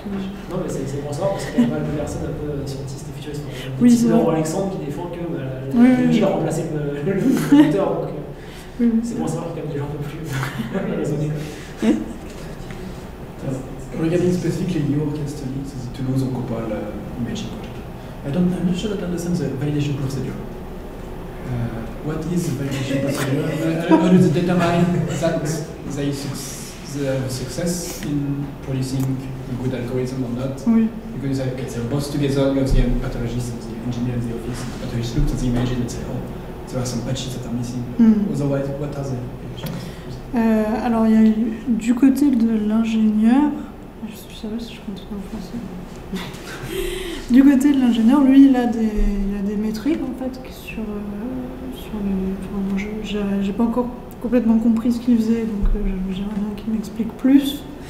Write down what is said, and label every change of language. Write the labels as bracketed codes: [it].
[fr] Non, mais c'est pour ça, parce qu'il y a pas mal de personnes un peu scientistes et futuristes. Oui, c'est leur Alexandre qui défend que l'IA a remplacé le computer, donc c'est pour ça qu'il y a des gens un peu plus raisonnés. [en] Regarding specifically your case study, the Toulouse Oncopal imaging project, I'm not sure that I understand the validation procedure. What is the validation procedure? How does it determine that the success in producing a good algorithm or not? [fr] Oui. [en] Because they're both together, you have the pathologist and the engineer in the office, and the pathologist looks at the image and say, oh, there are some patches that are missing. Otherwise, what are the patches? [fr] Alors, il y a du côté de l'ingénieur. Je suis sérieuse si je continue en français. Du côté de l'ingénieur, lui, il a des métriques en fait sur le. Enfin, bon, j'ai pas encore complètement compris ce qu'il faisait, donc j'aimerais bien qu'il m'explique plus.